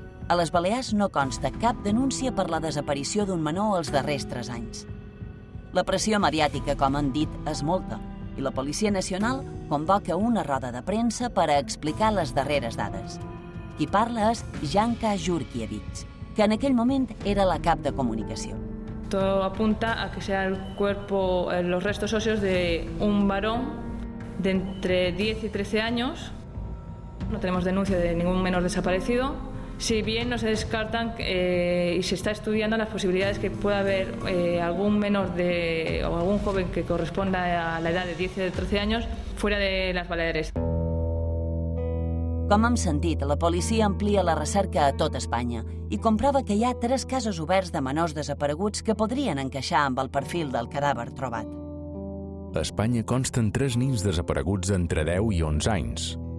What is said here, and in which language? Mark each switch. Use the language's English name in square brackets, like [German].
[Catalan] A les Balears no consta cap denúncia per la desaparició d'un menor els darrers 3 anys. La pressió mediàtica, com han dit, és molta, i la Policia Nacional convoca una roda de premsa per a explicar les darreres dades. Qui parla és Janka Jurkiewicz, que en aquell moment era la cap de comunicació. [Spanish] Todo apunta a que sea el cuerpo, los restos óseos de un varón de entre 10 y 13 años. No tenemos denuncia de ningún menor desaparecido. Si bien no se descartan y se está estudiando las posibilidades que pueda haber algún menor de, o algún joven que corresponda a la edad de 10 o 13 años fuera de las Baleares. [Catalan] Com hem sentit, la policia amplia la recerca a tot Espanya i comprova que hi ha 3 casos oberts de menors desapareguts que podrien encaixar amb el perfil del cadàver trobat. A Espanya consten 3 nins desapareguts entre 10 i 11 anys.